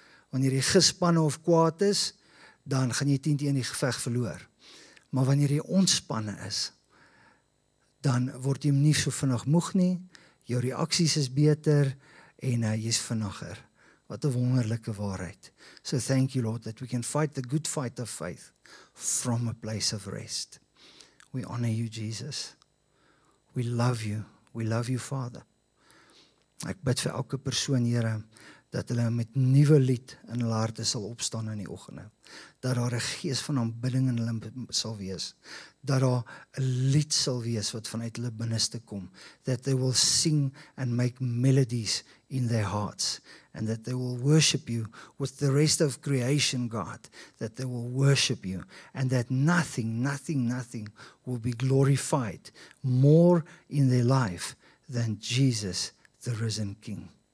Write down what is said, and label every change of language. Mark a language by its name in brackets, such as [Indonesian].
[Afrikaans] Wanneer jy gespanne of kwaad is, dan gaan jy 10-1 die geveg verloor. Maar wanneer jy ontspanne is, dan word jy nie so vinnig moeg nie, jou reaksies is beter, en jy is vinniger. Wat 'n wonderlike waarheid. [English] So thank you Lord, that we can fight the good fight of faith from a place of rest. We honor you Jesus. We love you. We love you Father. [Afrikaans] Ek bid vir elke persoon Here, dat hulle met nuwe lied in hulle harte sal opstaan in die oggende. Dat daar 'n gees van aanbidding in hulle sal wees. Dat daar 'n lied sal wees wat vanuit hulle binneste kom. [English] That they will sing and make melodies in their hearts. And that they will worship you with the rest of creation, God. That they will worship you. And that nothing will be glorified more in their life than Jesus, the risen King.